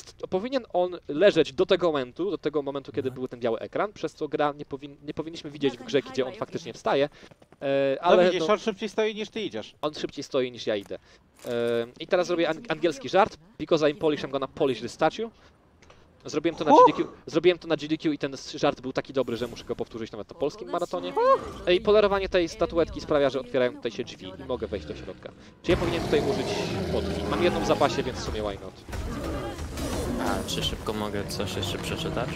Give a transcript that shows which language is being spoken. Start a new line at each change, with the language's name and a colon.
Polish: Powinien on leżeć do tego momentu, kiedy był ten biały ekran, przez co gra nie powinniśmy widzieć w grze, gdzie on faktycznie wstaje. Ale no widzisz, on szybciej stoi niż ty idziesz. On szybciej stoi niż ja idę. I teraz zrobię angielski żart.
English: Because I'm Polish, I'm gonna polish the statue.
Polish: Zrobiłem to na GDQ i ten żart był taki dobry, że muszę go powtórzyć nawet na polskim maratonie. I polerowanie tej statuetki sprawia, że otwierają tutaj się drzwi i mogę wejść do środka. Czy ja powinien tutaj użyć podki? Mam jedną w zapasie, więc w sumie
English: why not.
Polish: A czy szybko mogę coś jeszcze przeczytać?